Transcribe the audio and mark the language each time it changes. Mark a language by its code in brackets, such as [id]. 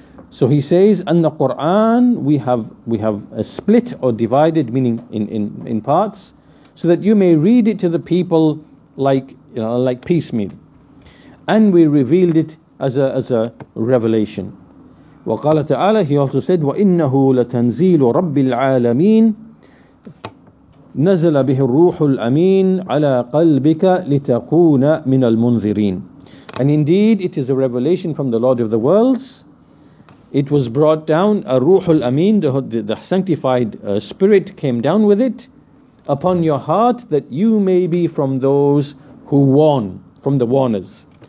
[en] So he says, and the Quran, we have split or divided, meaning in parts, so that you may read it to the people like, you know, like piecemeal. And we revealed it as a revelation. [ar] وقال تعالى, [en] he also said, [ar] وَإِنَّهُ لَتَنْزِيلُ رَبِّ الْعَالَمِينَ نَزَلَ بِهِ الرُّوحُ الْأَمِينَ عَلَى قَلْبِكَ لِتَكُونَ مِنَ الْمُنْذِرِينَ. [en] And indeed, it is a revelation from the Lord of the worlds. It was brought down, a Ruhul Amin, the sanctified spirit came down with it upon your heart, that you may be from those who warn, from the warners.